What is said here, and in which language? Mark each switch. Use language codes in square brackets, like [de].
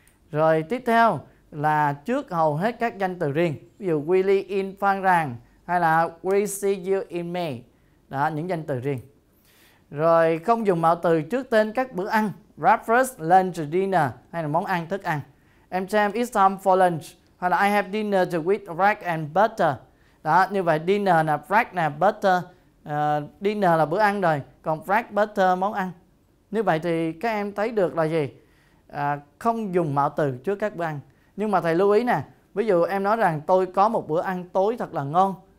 [vi] Rồi tiếp theo là trước hầu hết các danh từ riêng, ví dụ Willy in Phan Rang hay là [en] We see you in May. [vi] Đó, những danh từ riêng. Rồi không dùng mạo từ trước tên các bữa ăn, breakfast, lunch, dinner hay là món ăn, thức ăn. Em xem [en] it's time for lunch [vi] hay là [en] I have dinner with bread and butter. [vi] Đó, như vậy dinner là bread nè, butter, dinner là bữa ăn rồi, còn bread, butter, món ăn. Như vậy thì các em thấy được là gì? Không dùng mạo từ trước các bữa ăn. Nhưng mà thầy lưu ý nè, ví dụ em nói rằng tôi có một bữa ăn tối thật là ngon.